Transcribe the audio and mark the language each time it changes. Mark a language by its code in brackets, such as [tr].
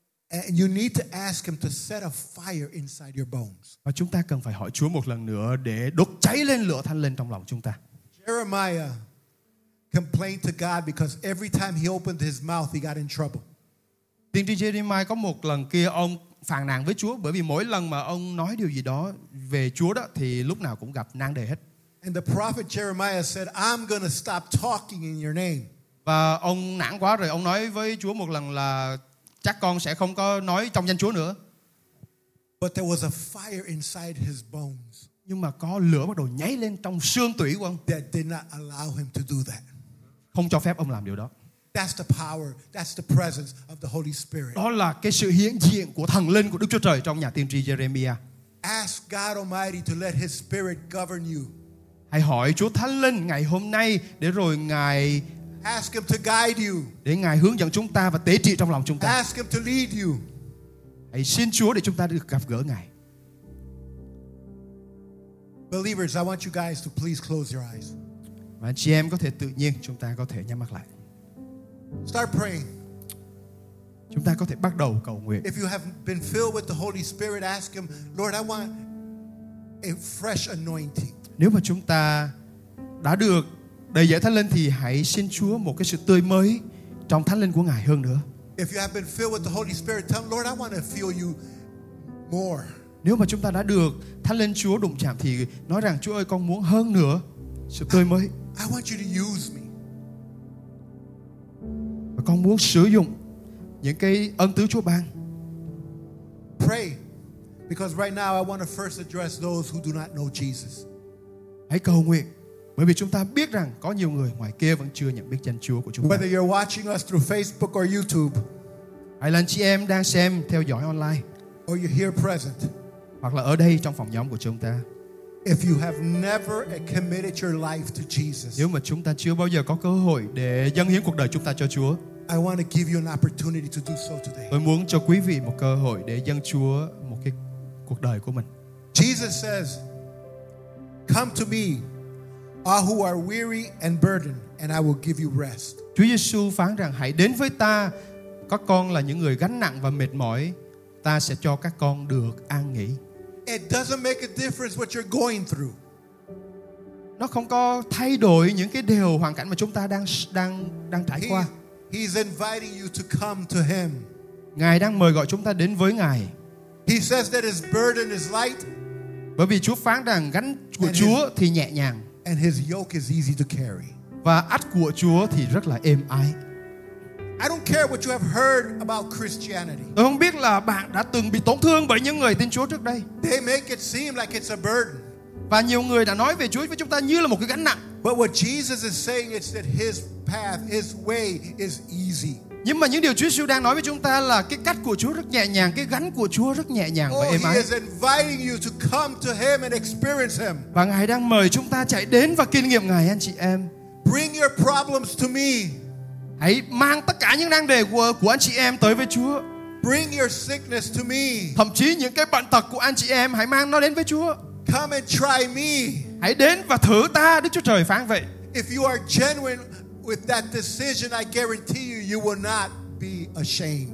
[en] And you need to ask him to set a fire inside your bones. [vi] Và chúng ta cần phải hỏi Chúa một lần nữa để đốt cháy lên lửa thánh linh trong lòng chúng ta. [en] Jeremiah complained to God because every time he opened his mouth, he got in trouble. [vi] Tiên tri Jeremiah có một lần kia ông phàn nàn với Chúa bởi vì mỗi lần mà ông nói điều gì đó về Chúa đó thì lúc nào cũng gặp nan đề hết. [en] And the prophet Jeremiah said, "I'm going to stop talking in your name." [vi] Và ông nản quá rồi ông nói với Chúa một lần là chắc con sẽ không có nói trong danh Chúa nữa. [en] But there was a fire inside his bones. [vi] Nhưng mà có lửa bắt đầu nháy lên trong xương tủy của ông. [en] That did not allow him to do that. [vi] Không cho phép ông làm điều đó. [en] That's the power, that's the presence of the Holy Spirit. [vi] Đó là cái sự hiện diện của thần linh của Đức Chúa Trời trong nhà tiên tri Jeremiah. [en] Ask God Almighty to let his spirit govern you. [vi] Hãy hỏi Chúa Thánh Linh ngày hôm nay để rồi Ngài [en] ask him to guide you. [vi] Để Ngài hướng dẫn chúng ta và tế trị trong lòng chúng ta. [en] Ask him to lead you. [vi] Hãy xin Chúa để chúng ta được gặp gỡ Ngài. [en] Believers, I want you guys to please close your eyes. [vi] Và anh chị em có thể tự nhiên chúng ta có thể nhắm mắt lại. [en] Start praying. [vi] Chúng ta có thể bắt đầu cầu nguyện. [en] If you have been filled with the Holy Spirit, ask him, Lord, I want a fresh anointing. [vi] Nếu mà chúng ta đã được đầy dẫy thánh linh thì hãy xin Chúa một cái sự tươi mới trong thánh linh của Ngài hơn nữa. [en] If you have been filled with the Holy Spirit, tell him, Lord, I want to feel you more. [vi] Nếu mà chúng ta đã được thánh linh Chúa đụng chạm thì nói rằng Chúa ơi con muốn hơn nữa sự tươi mới. [en] I want you to use me. [vi] Và con muốn sử dụng những cái ân tứ Chúa ban. [en] Pray, because right now I want to first address those who do not know Jesus. [vi] Hãy cầu nguyện, bởi vì chúng ta biết rằng có nhiều người ngoài kia vẫn chưa nhận biết danh Chúa của chúng ta. [en] Whether you're watching us through Facebook or YouTube, [vi] hay là anh chị em đang xem theo dõi online, [en] or you're here present, [vi] hoặc là ở đây trong phòng nhóm của chúng ta. [en] If you have never committed your life to Jesus, [vi] nếu mà chúng ta chưa bao giờ có cơ hội để dâng hiến cuộc đời chúng ta cho Chúa, [en] I want to give you an opportunity to do so today. [vi] Tôi muốn cho quý vị một cơ hội để dâng Chúa một cái cuộc đời của mình. [en] Jesus says, "Come to me, all who are weary and burdened, and I will give you rest." [vi] Chúa Giêsu phán rằng, "Hãy đến với ta, các con là những người gánh nặng và mệt mỏi, ta sẽ cho các con được an nghỉ." [en] It doesn't make a difference what you're going through. [vi] Nó không có thay đổi những cái điều hoàn cảnh mà chúng ta đang trải qua. [en] He's inviting you to come to him. [vi] Ngài đang mời gọi chúng ta đến với Ngài. [en] He says that his burden is light. [vi] Bởi vì Chúa phán rằng gánh của Chúa thì nhẹ nhàng. [en] And his yoke is easy to carry. [vi] Và ách của Chúa thì rất là êm ái. [en] I don't care what you have heard about Christianity. [vi] Tôi không biết là bạn đã từng bị tổn thương bởi những người tin Chúa trước đây. [en] They make it seem like it's a burden. [vi] Và nhiều người đã nói về Chúa với chúng ta như là một cái gánh nặng. [en] But what Jesus is saying is that his path, his way is easy. [vi] Nhưng mà những điều Chúa Jesus đang nói với chúng ta là cái cách của Chúa rất nhẹ nhàng, cái gánh của Chúa rất nhẹ nhàng và êm ái. [en] He is inviting you to come to him and experience him. [vi] Và Ngài đang mời chúng ta chạy đến và kinh nghiệm Ngài, anh chị em. [en] Bring your problems to me. [vi] Hãy mang tất cả những nan đề của anh chị em tới với Chúa. [en] Bring your sickness to me. [vi] Thậm chí những cái bệnh tật của anh chị em hãy mang nó đến với Chúa. [en] Come and try me. [vi] Hãy đến và thử ta, Đức Chúa Trời phán vậy. [en] If you are genuine with that decision, I guarantee you, you will not be ashamed.